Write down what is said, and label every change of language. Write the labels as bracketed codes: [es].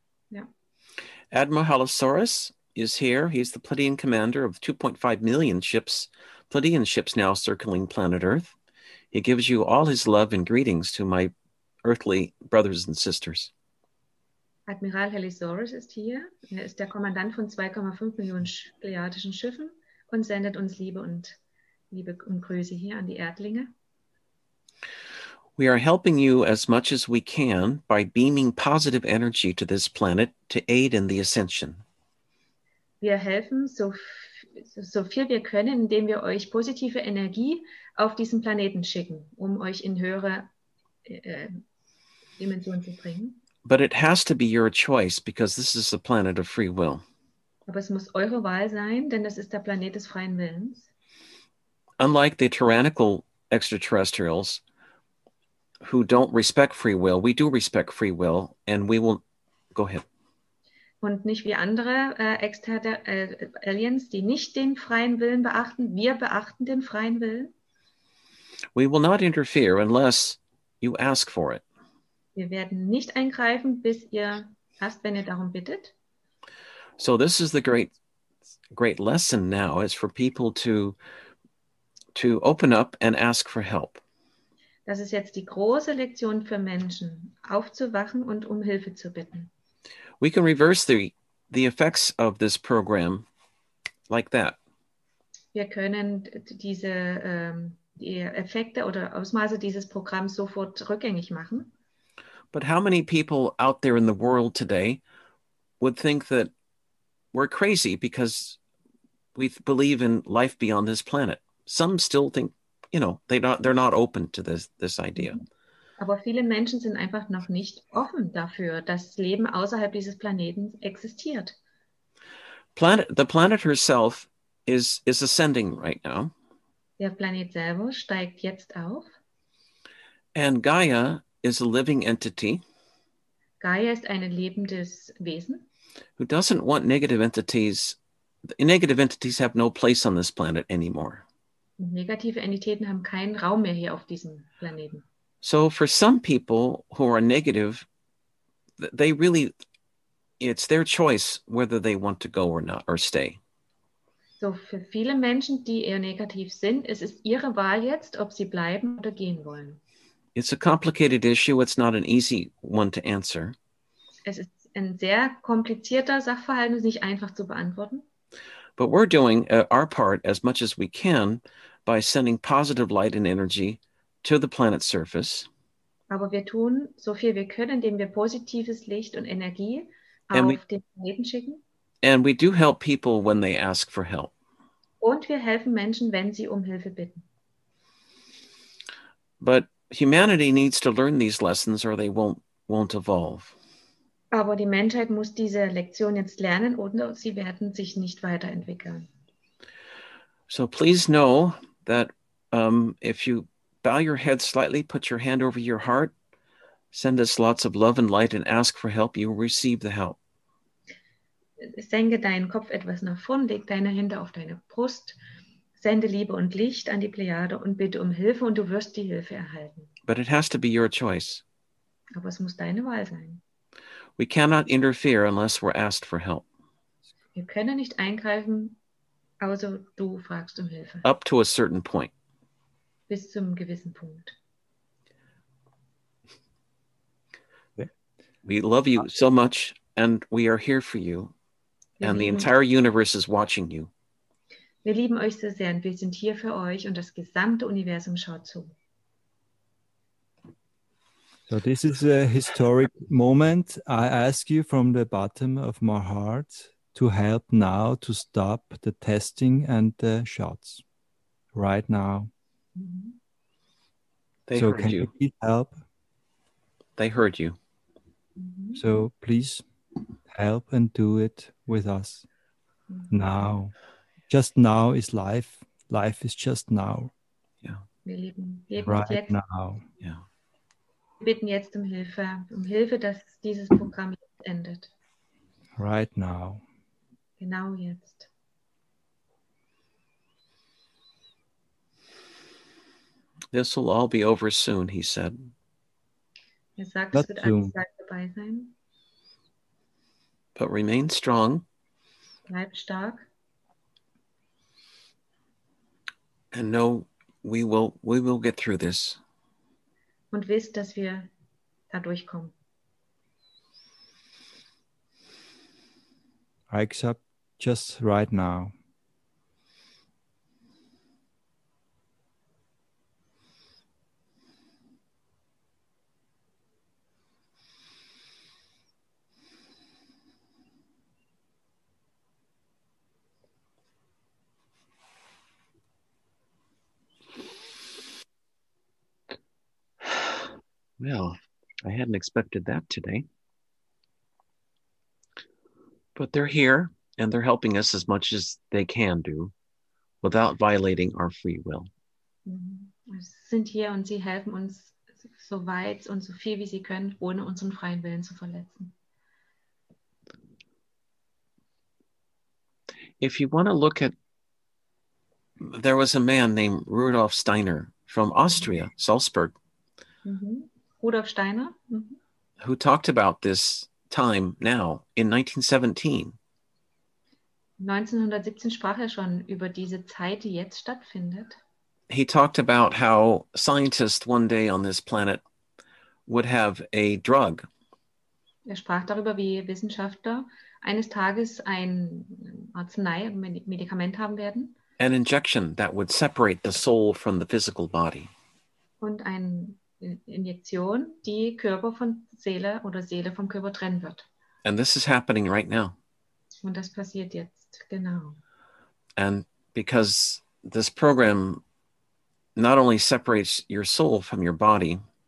[de] Ja. [en] Admiral Halosaurus is here. He's the Pleiadian commander of 2.5 million ships, Pleiadian ships now circling planet Earth. He gives you all his love and greetings to my earthly brothers and sisters. [de] Admiral Halosaurus ist hier. Er ist der Kommandant von 2,5 Millionen pleiadischen Schiffen und sendet uns Liebe und Grüße hier an die Erdlinge. [en] We are helping you as much as we can by beaming positive energy to this planet to aid in the ascension. [de] Wir helfen so viel wir können, indem wir euch positive Energie auf diesen Planeten schicken, um euch in höhere Dimensionen zu bringen. [en] But it has to be your choice because this is the planet of free will. [de] Aber es muss eure Wahl sein, denn das ist der Planet des freien Willens. [en] Unlike the tyrannical extraterrestrials who don't respect free will, we do respect free will and we will go ahead. [de] Und nicht wie andere Aliens, die nicht den freien Willen beachten, wir beachten den freien Willen. [en] We will not interfere unless you ask for it. [de] Wir werden nicht eingreifen, bis ihr fast, wenn ihr darum bittet. [en] So this is the great, great lesson now is for people to open up and ask for help. [de] Das ist jetzt die große Lektion für Menschen, aufzuwachen und um Hilfe zu bitten. [en] We can reverse the effects of this program like that. [de] Wir können diese die Effekte oder Ausmaße dieses Programms sofort rückgängig machen. [en] But how many people out there in the world today would think that we're crazy because we believe in life beyond this planet? Some still think, you know, they're not open to this idea. [de] Aber viele Menschen sind einfach noch nicht offen dafür, dass Leben außerhalb dieses Planeten existiert. [en] The planet herself is ascending right now. [de] Der Planet selber steigt jetzt auf. [en] And Gaia is a living entity. [de] Gaia ist ein lebendes Wesen. [en] Who doesn't want negative entities? Negative entities have no place on this planet anymore. [de] Negative Entitäten haben keinen Raum mehr hier auf diesem Planeten. [en] So for some people who are negative, they really, it's their choice whether they want to go or not or stay. [de] So für viele Menschen, die eher negativ sind, es ist ihre Wahl jetzt, ob sie bleiben oder gehen wollen. [en] It's a complicated issue. It's not an easy one to answer. [de] Es ist ein sehr komplizierter Sachverhalt, nicht einfach zu beantworten. [en] But we're doing our part as much as we can by sending positive light and energy to the planet's surface. [de] Aber wir tun so viel wir können, indem wir positives Licht und Energie auf den Planeten schicken. [en] And we do help people when they ask for help. [de] Und wir helfen Menschen, wenn sie um Hilfe bitten. [en] But humanity needs to learn these lessons or they won't evolve. [de] Aber die Menschheit muss diese Lektion jetzt lernen oder sie werden sich nicht weiterentwickeln. [en] So please know that if you bow your head slightly, put your hand over your heart, send us lots of love and light and ask for help, you will receive the help. [de] Senke deinen Kopf etwas nach vorn, leg deine Hände auf deine Brust. Sende Liebe und Licht an die Plejade und bitte um Hilfe und du wirst die Hilfe erhalten. [en] But it has to be your choice. [de] Aber es muss deine Wahl sein. [en] We cannot interfere unless we're asked for help. [de] Wir können nicht eingreifen, außer du fragst um Hilfe. [en] Up to a certain point. [de] Bis zum gewissen Punkt. [en] We love you so much, and we are here for you, and the entire universe is watching you. [de] Wir lieben euch so sehr, und wir sind hier für euch, und das gesamte Universum schaut zu. [en] So this is a historic moment. I ask you from the bottom of my heart to help now to stop the testing and the shots right now. They so heard can you. You help? They heard you. So please help and do it with us now. Just now is life. Life is just now. Yeah. Right [de] jetzt. [en] Now. Yeah. [de] Wir bitten jetzt um Hilfe, dass dieses Programm jetzt endet. [en] Right now. [de] Genau jetzt. [en] This will all be over soon, he said. [de] Er sagt, es wird alles bald dabei sein. [en] But remain strong. [de] Bleib stark. [en] And know we will get through this. [de] Und wisst, dass wir da durchkommen. [en] I accept just right now. Well, I hadn't expected that today. But they're here, and they're helping us as much as they can do without violating our free will. [de] Sie sind hier und sie helfen uns so weit und so viel wie sie können, ohne unseren freien Willen zu verletzen. [en] If you want to look at, there was a man named Rudolf Steiner from Austria, Salzburg. Rudolf Steiner, who talked about this time now in 1917. [de] 1917 sprach er schon über diese Zeit, die jetzt stattfindet. [en] He talked about how scientists one day on this planet would have a drug. [de] Er sprach darüber, wie Wissenschaftler eines Tages ein Arznei, ein Medikament haben werden. [en] An injection that would separate the soul from the physical body. [de] Und ein Injektion, die Körper von Seele oder Seele vom Körper trennen wird. [en] And this is happening right now. [de] Und das passiert jetzt, genau. [en] And because this program not only separates your soul from your body,